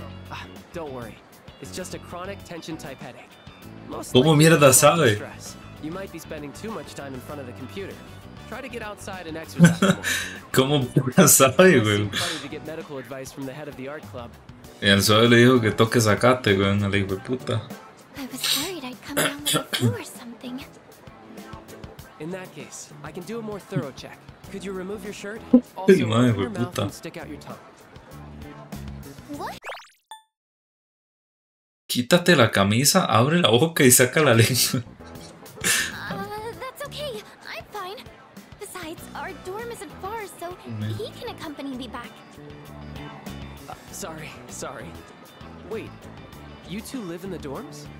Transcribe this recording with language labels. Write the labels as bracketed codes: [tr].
[en] Ah, don't worry. It's just a chronic tension-type headache. [es] Most ¿cómo mierda sabe? [en] You might be spending too much time in front of the computer. Try to get outside and exercise. [es] ¿Cómo mierda sabe, güey? [en] It's funny to get medical advice from the head of the art club. [es] Y el suave le dijo que toque sacate, güey, el hijo de puta. [en] I was worried I'd come down with a flu or something. In that case, I can do a more thorough check. Could you remove your shirt? Also, hey, man, your mouth and stick out your tongue. What? [es] Quítate la camisa, abre la boca y saca la lengua. [en] That's okay. I'm fine. Besides, our dorm isn't far, so he can accompany me back. Sorry. Wait, you two live in the dorms?